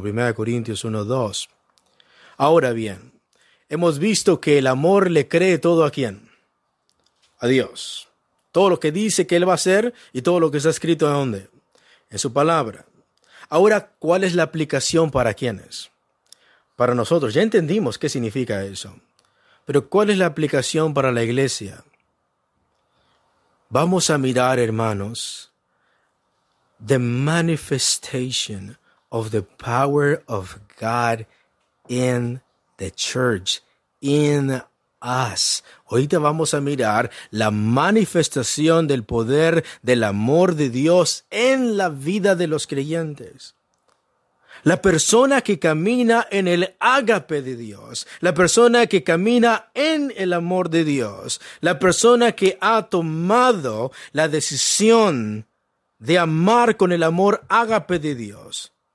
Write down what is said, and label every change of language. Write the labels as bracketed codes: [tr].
[es] 1 Corintios 1:2. Ahora bien, hemos visto que el amor le cree todo ¿a quién? A Dios. Todo lo que dice que Él va a hacer y todo lo que está escrito ¿a dónde? En su palabra. Ahora, ¿cuál es la aplicación para quiénes? Para nosotros. Ya entendimos qué significa eso. Pero ¿cuál es la aplicación para la iglesia? Vamos a mirar, hermanos, [en] the manifestation of the power of God in the church, in us. [es] Ahorita vamos a mirar la manifestación del poder del amor de Dios en la vida de los creyentes. La persona que camina en el ágape de Dios, la persona que camina en el amor de Dios, la persona que ha tomado la decisión de amar con el amor ágape de Dios.